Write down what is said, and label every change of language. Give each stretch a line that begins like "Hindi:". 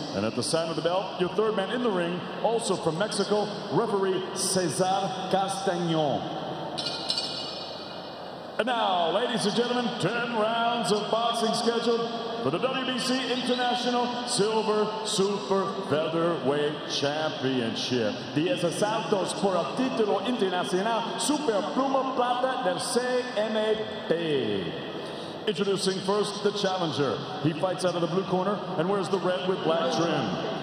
English: And at the sound of the bell, your third man in the ring, also from Mexico, referee Cesar Castañón. And now, ladies and gentlemen, 10 rounds of boxing scheduled for the WBC International Silver Super Featherweight Championship.
Spanish: 10 asaltos por el título internacional Super Pluma Plata del CMB.
English: Introducing first the challenger. He fights out of the blue corner and wears the red with black trim.